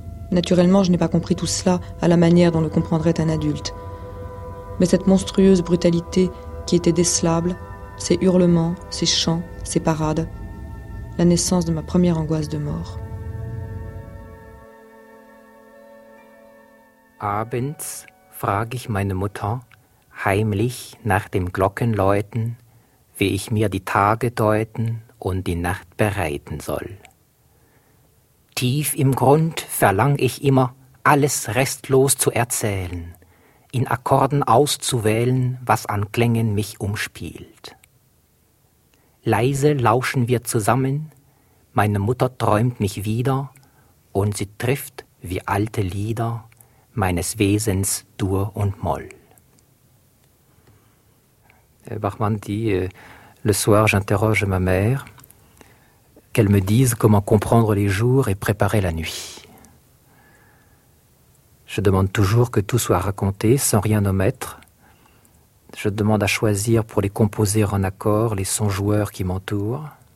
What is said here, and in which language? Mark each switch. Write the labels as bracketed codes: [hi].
[fr] Naturellement, je n'ai pas compris tout cela à la manière dont le comprendrait un adulte. Mais cette monstrueuse brutalité qui était décelable, ses hurlements, ses chants, ses parades, la naissance de ma première angoisse de mort. [de] Abends frage ich meine Mutter heimlich nach dem Glockenläuten, wie ich mir die Tage deuten und die Nacht bereiten soll. Tief im Grund verlang ich immer, alles restlos zu erzählen, in Akkorden auszuwählen, was an Klängen mich umspielt. Leise lauschen wir zusammen, meine Mutter träumt mich wieder und sie trifft wie alte Lieder meines Wesens Dur und Moll. [fr] Bachmann dit, le soir j'interroge ma mère, qu'elle me dise comment comprendre les jours et préparer la nuit. Je demande toujours que tout soit raconté sans rien omettre. Je demande à choisir pour les composer en accord les sons joueurs qui m'entourent.